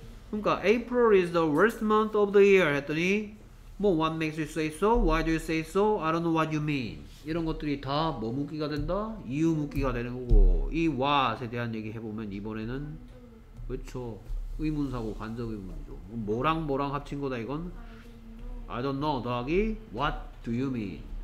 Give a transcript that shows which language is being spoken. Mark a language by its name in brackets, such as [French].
[English] 그러니까 April is the worst month of the year 했더니 뭐 what makes you say so? Why do you say so? I don't know what you mean. [Korean] 이런 것들이 다 뭐 묻기가 된다? 이유 묻기가 되는 거고 이 what에 대한 얘기 해보면 이번에는 그렇죠. 의문사고 간접 의문이죠. 뭐랑 뭐랑 합친 거다 이건? [English] I don't know 더하기 what do you mean?